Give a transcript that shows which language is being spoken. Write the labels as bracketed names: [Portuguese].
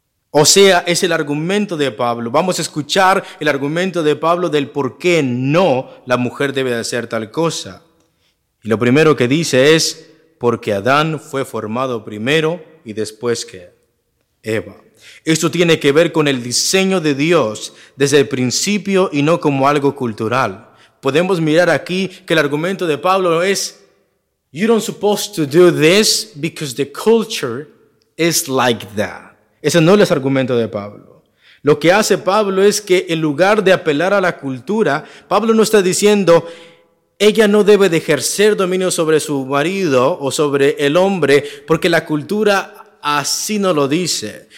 [Spanish] O sea, es el argumento de Pablo. Vamos a escuchar el argumento de Pablo del por qué no la mujer debe de hacer tal cosa. Y lo primero que dice es, porque Adán fue formado primero y después que Eva. Esto tiene que ver con el diseño de Dios desde el principio y no como algo cultural. Podemos mirar aquí que el argumento de Pablo es, [English] you don't supposed to do this because the culture is like that. [Spanish] Ese no es el argumento de Pablo. Lo que hace Pablo es que en lugar de apelar a la cultura, Pablo no está diciendo, ella no debe de ejercer dominio sobre su marido o sobre el hombre, porque la cultura así no lo dice.